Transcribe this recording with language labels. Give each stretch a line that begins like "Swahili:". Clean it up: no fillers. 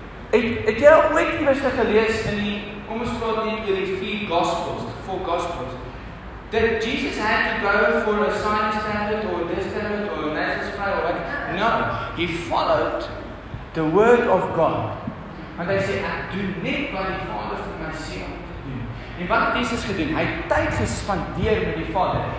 Afrikaans: Ek het ooit iewers gelees in die, kom ons praat net oor die vier gospels,
English: die four gospels, that Jesus had to go for a sinus tablet or a this tablet or a nasal spray or what? No, he followed the word of God.
Afrikaans: Want hy sê, ek doen net wat die Vader vir my sê om te doen. En wat het Jesus gedoen? Hy het tyd gespandeer met die Vader.